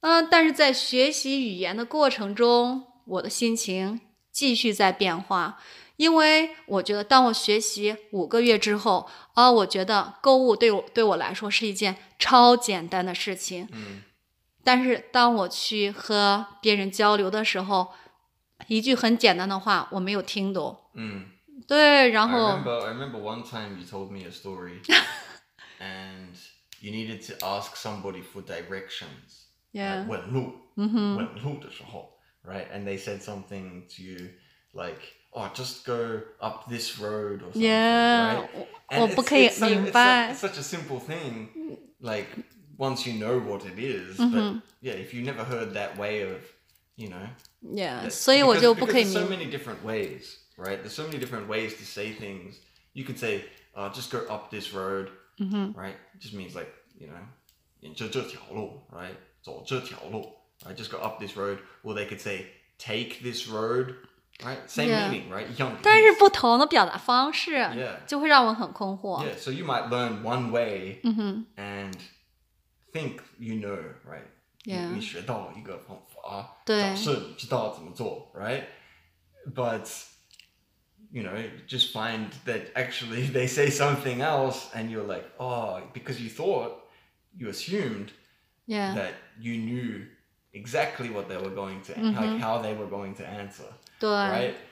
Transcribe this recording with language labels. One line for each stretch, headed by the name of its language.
Chinese: 但是在学习语言的过程中我的心情继续在变化因为我觉得当我学习五个月之后我觉得购物对我来说是一件超简单的事情、但是当我去和别人交流的时候一句很简单的话我没有听懂、对然后
English: I remember one time you told me a story and you needed to ask somebody for directions. Yeah.
Chinese: 问路的时候, right?
English: And they said something to you like, oh, just go up this road or something, yeah, right?
Chinese: 我不可以明白。
English: It's such a simple thing, like, once you know what it is, but yeah, if you never heard that way of, you know.
Chinese: Yeah, 所以我就不可以明白。
English: There's so many different ways, right? There's so many different ways to say things. You could say, oh, just go up this road, right? It just means like, you know,
Chinese: 沿着这条路,
English: right?
Chinese: 走这条路,
English: right? Just go up this road. Or they could say, take this road, right? Same meaning, right?
Chinese: 但是不同的表达方式, 就会让我很困惑。
English: Yeah, so you might learn one way and think you know, right? Yeah.
Chinese: 你学到一个方法, 找事知道怎么做, right?
English: But, you know, just find that actually they say something else and you're like, oh, because you thought, you assumed, that you knew exactly what they were going to, like how they were going to answer, right?